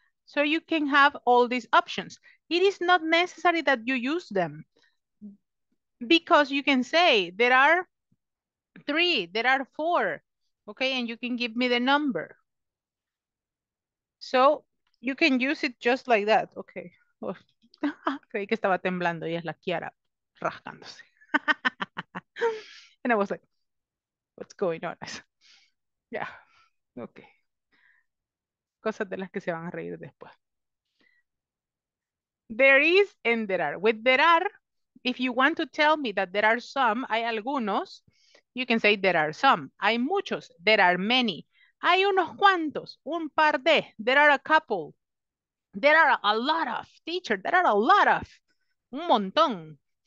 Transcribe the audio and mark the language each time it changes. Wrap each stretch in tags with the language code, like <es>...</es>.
<en>So you can have all these options. It is not necessary that you use them because you can say there are three, there are four. Okay, and you can give me the number. So you can use it just like that. Okay.</en> <es>Creí que estaba temblando y es la Kiara rascándose.</es> <en>And I was like, what's going on? Yeah. Okay.</en> <es>Cosas de las que se van a reír después.</es> <en>There is and there are. With there are, if you want to tell me that there are some,</en> <es>hay algunos,</es> <en>you can say there are some.</en> <es>Hay muchos,</es> <en>there are many.</en> <es>Hay unos cuantos, un par de,</es> <en>there are a couple. There are a lot of, teacher, there are a lot of,</en> <es>un montón.</es>